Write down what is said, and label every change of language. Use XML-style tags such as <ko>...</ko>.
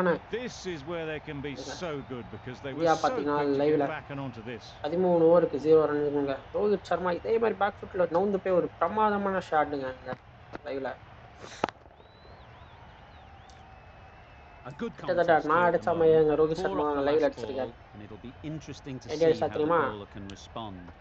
<en>This is where they can be so good because they were so quick to get back and onto this.</en> <ta>13 ஓவருக்கு 0 run இருக்குங்க. ரோஹித் சர்மா இதே மாதிரி back ஃபுட்ல நவுந்து போய் ஒரு பிரமாதமான ஷாட்ங்க லைவ்ல.</ta> <en>A good comeback.</en> <ta>அதடா நான் அடிச்ச மாதிரிங்க ரோஹித் சர்மா லைவ்ல அடிச்சிருக்காரு.</ta> <en>It'll be interesting to see how the bowler can respond.</en>